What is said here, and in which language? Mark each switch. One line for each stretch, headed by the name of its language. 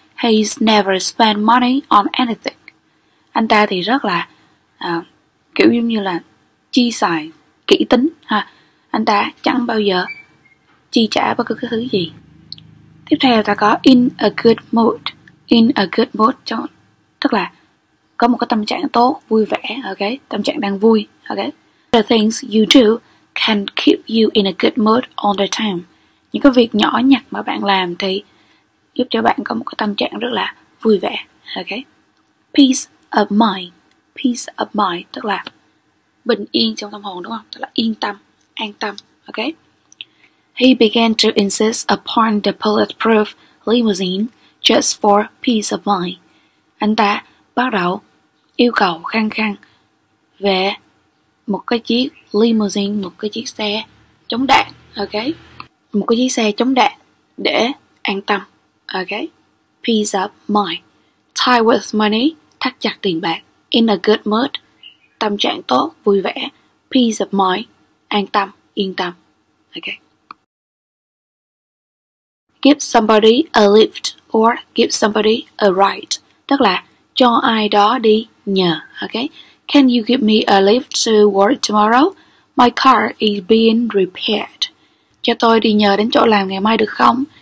English: He's never spent money on anything.
Vietnamese: Anh ta thì rất là kiểu giống như là chi xài kỹ tính ha. Anh ta chẳng bao giờ chi trả bất cứ cái thứ gì. Tiếp theo ta có
English: in a good mood. In a good mood
Vietnamese: tức là có một cái tâm trạng tốt, vui vẻ, ok? Tâm trạng đang vui, ok?
English: The things you do can keep you in a good mood all the time.
Vietnamese: Những cái việc nhỏ nhặt mà bạn làm thì giúp cho bạn có một cái tâm trạng rất là vui vẻ, ok?
English: Peace of mind. Peace of mind
Vietnamese: tức là bình yên trong tâm hồn, đúng không? Tức là yên tâm, an tâm, ok?
English: He began to insist upon the bulletproof limousine just for peace of mind.
Vietnamese: Anh ta bắt đầu yêu cầu khăng khăng về một cái chiếc limousine, một cái chiếc xe chống đạn, ok? Một cái chiếc xe chống đạn để an tâm, ok?
English: Peace of mind. Tied with money,
Vietnamese: thắt chặt tiền bạc.
English: In a good mood,
Vietnamese: tâm trạng tốt, vui vẻ.
English: Peace of mind,
Vietnamese: an tâm, yên tâm, ok?
English: Give somebody a lift or give somebody a ride.
Vietnamese: Tức là cho ai đó đi nhờ, ok?
English: Can you give me a lift to work tomorrow? My car is being repaired.
Vietnamese: Cho tôi đi nhờ đến chỗ làm ngày mai được không?